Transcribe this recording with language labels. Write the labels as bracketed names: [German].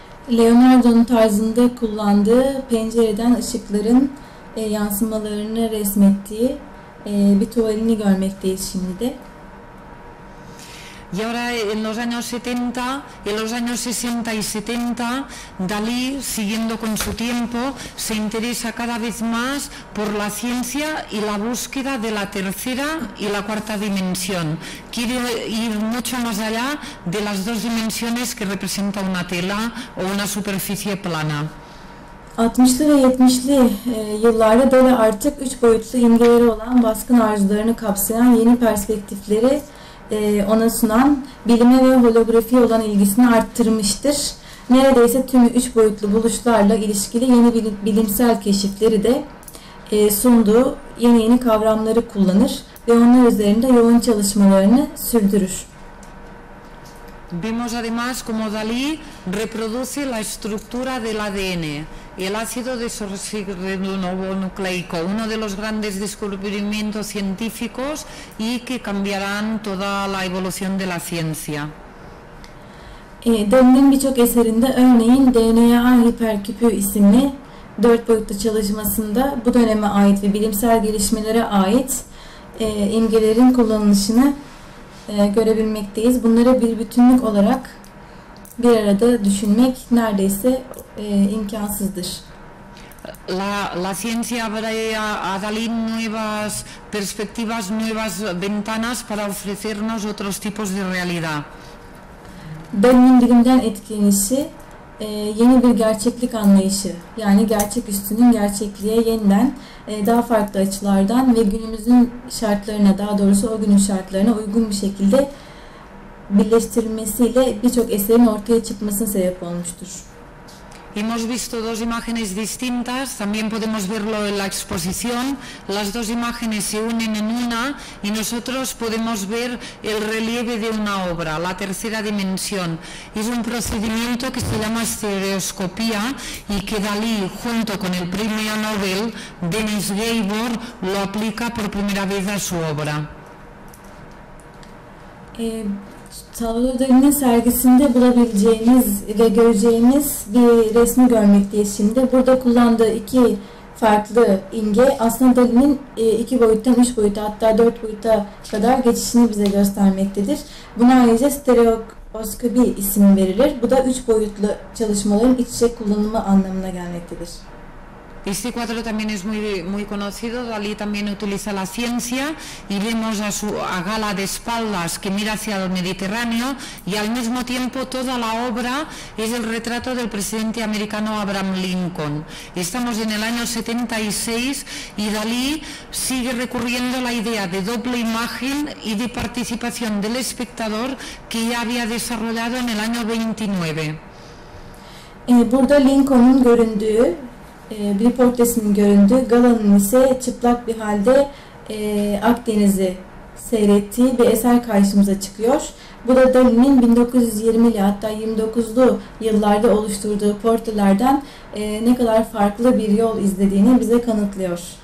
[Turkish] Leonardo'nun tarzında kullandığı pencereden ışıkların yansımalarını resmettiği bir tuvalini görmekteyiz şimdi de. [Spanish] Y ahora en los años 60 y 70, Dalí, siguiendo con su tiempo, se interesa cada vez más por la ciencia y la búsqueda de la tercera y la cuarta dimensión. Quiere ir mucho más allá de las dos dimensiones que representa una tela o una superficie plana. [Turkish] 60'lı ve 70'li yıllarda Dalí artık üç boyutlu imgeleri olan baskın arzularını kapsayan yeni perspektifleri ona sunan bilime ve holografiye olan ilgisini arttırmıştır. Neredeyse tüm üç boyutlu buluşlarla ilişkili yeni bilimsel keşifleri de sunduğu yeni yeni kavramları kullanır ve onlar üzerinde yoğun çalışmalarını sürdürür. [Spanish] Vimos además cómo Dalí reproduce la estructura del ADN, el ácido desoxirribonucleico, uno de los grandes descubrimientos científicos y que cambiarán toda la evolución de la ciencia. [Turkish] Dalí'nin birçok eserinde örneğin DNA hiperküpü isimli dört boyutlu çalışmasında bu döneme ait ve bilimsel gelişmelere ait imgelerin kullanılışını görebilmekteyiz. Bunları bir bütünlük olarak bir arada düşünmek neredeyse imkansızdır. [Spanish] La ciencia abre a Dalí nuevas perspectivas, nuevas ventanas para ofrecernos otros tipos de realidad. [Turkish] Dalí'nin bilimden etkilenişi yeni bir gerçeklik anlayışı, yani gerçek üstünün gerçekliğe yeniden daha farklı açılardan ve günümüzün şartlarına, daha doğrusu o günün şartlarına uygun bir şekilde birleştirilmesiyle birçok eserin ortaya çıkmasına sebep olmuştur. [Spanish] Hemos visto dos imágenes distintas, también podemos verlo en la exposición. Las dos imágenes se unen en una y nosotros podemos ver el relieve de una obra, la tercera dimensión. Es un procedimiento que se llama estereoscopía y que Dalí, junto con el premio Nobel, Denis Gabor, lo aplica por primera vez a su obra. [Turkish] Salvador Dalí'nin sergisinde bulabileceğiniz ve göreceğiniz bir resmi görmekteyiz şimdi. Burada kullandığı iki farklı imge aslında Dalí'nin iki boyuttan üç boyuta hatta dört boyuta kadar geçişini bize göstermektedir. Buna ayrıca stereoskopi isim verilir. Bu da üç boyutlu çalışmaların iç içe kullanımı anlamına gelmektedir. [Spanish] Este cuadro también es muy, muy conocido, Dalí también utiliza la ciencia y vemos a su a Gala de espaldas que mira hacia el Mediterráneo y al mismo tiempo toda la obra es el retrato del presidente americano Abraham Lincoln. Estamos en el año 76 y Dalí sigue recurriendo a la idea de doble imagen y de participación del espectador que ya había desarrollado en el año 29. [Turkish] Burada Lincoln'un göründüğü bir portresinin göründüğü, Gala'nın ise çıplak bir halde Akdeniz'i seyrettiği bir eser karşımıza çıkıyor. Bu da Dalí'nin 1920'li hatta 29'lu yıllarda oluşturduğu portrelerden ne kadar farklı bir yol izlediğini bize kanıtlıyor.